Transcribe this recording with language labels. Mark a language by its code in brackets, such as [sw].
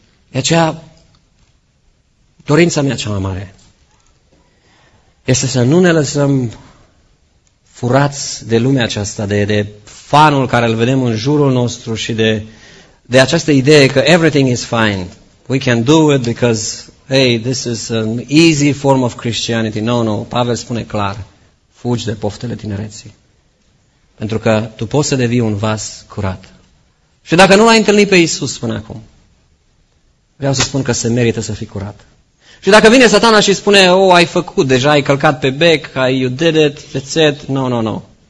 [ro] De aceea, dorința mea cea mai mare este să nu ne lăsăm furați de lumea aceasta, de fanul care îl vedem în jurul nostru și de această idee că [en] everything is fine. We can do it because, hey, this is an easy form of Christianity. [ro] No, no, Pavel spune clar, fugi de poftele tinereții. Pentru că tu poți să devii un vas curat. Și dacă nu l-ai întâlnit pe Iisus până acum, vreau să spun că se merită să fii curat. Și dacă vine satana și spune, oh, ai făcut, deja ai călcat pe bec, [en] you did it, that's it, no, no, no.